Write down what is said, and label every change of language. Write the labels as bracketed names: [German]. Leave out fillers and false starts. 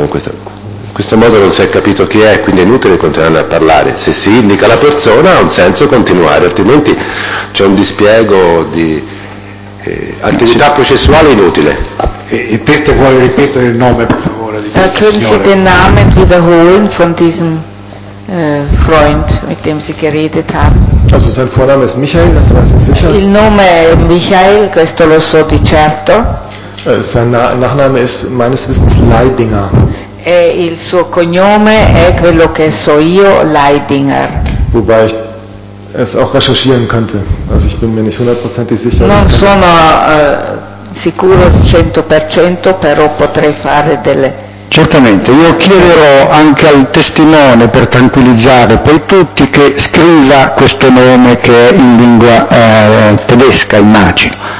[Italian] In questo modo non si è capito chi è, quindi è inutile continuare a parlare. Se si indica la persona ha un senso continuare, altrimenti c'è un dispiego di attività processuale inutile. Il teste vuole ripetere il nome, per favore, di questa signora. [German] Können Sie den Namen wiederholen von diesem Freund, mit dem Sie geredet haben? Also sein Vorname ist Michael, das weiß ich sicher. [Italian] Il nome è Michael, questo lo so di certo. [German] Sein Nachname ist meines Wissens Leidinger. [Italian] E il suo cognome è quello che so io, Leidinger. [German] Wobei ich es auch recherchieren könnte. Also ich bin mir nicht hundertprozentig sicher. [Italian] Non sono sicuro 100%, però potrei fare delle. Certamente, io chiederò anche al testimone, per tranquillizzare poi tutti, che scriva questo nome che è in lingua tedesca, immagino.